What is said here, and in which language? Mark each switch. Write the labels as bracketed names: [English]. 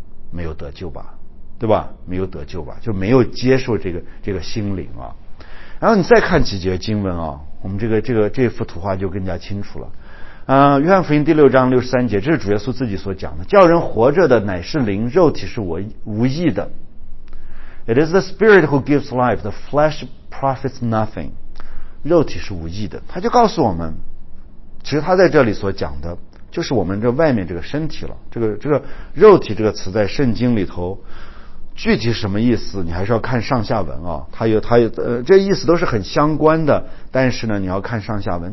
[Chinese] 没有得救吧，对吧？没有得救吧，就没有接受这个心灵啊。然后你再看几节经文啊，我们这幅图画就更加清楚了。约翰福音第6章63节，这是主耶稣自己所讲的，叫人活着的乃是灵，肉体是无益的。 [English] It is the spirit who gives life, the flesh profits nothing. [Chinese] 肉体是无益的。他就告诉我们，其实他在这里所讲的就是我们这外面这个身体了。这个肉体这个词在圣经里头具体什么意思，你还是要看上下文啊。它有这意思都是很相关的，但是呢你要看上下文。